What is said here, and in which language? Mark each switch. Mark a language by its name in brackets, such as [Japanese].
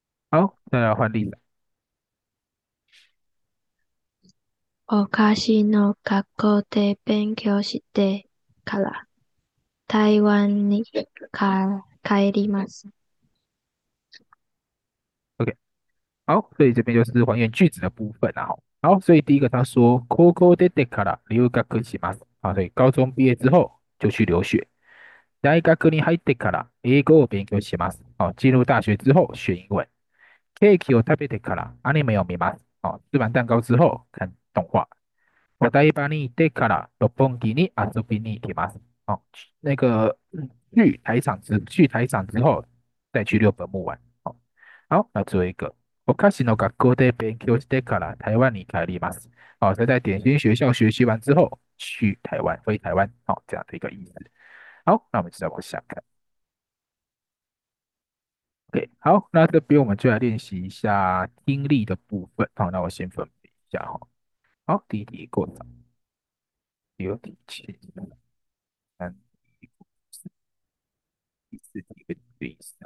[Chinese] 好，再来换例子。 [Japanese] お菓子の学校で勉強してから台湾に帰ります。 [Chinese] 好，所以这边就是还原句子的部分啊。好，所以第一个他说， [Japanese] 高校出てから留学します。 [Chinese] 啊，所以高中毕业之后就去留学。 [Japanese] 大学に入ってから英語を勉強します。 [Chinese] 哦，进入大学之后学英文。 [Japanese] ケーキを食べてからアニメを見ます。 [Chinese] 哦，吃完蛋糕之后看动画。 [Japanese] お台場に行ってから六本木に遊びに行きます。 [Chinese] 哦，那个去台场之后再去六本木玩。哦，好，那最后一个。 [Japanese] お菓子の学校で勉強してから台湾に帰ります。 [Chinese] 好、哦，再在点心学校学习完之后去台湾，回台湾，好、哦，这样的一个意思。好，那我们再往下看。 OK，好，那这边我们就来练习一下听力的部分。好、哦，那我先分别一下哈。好，第一题过早，第二题前，三题四，第四题跟第一题。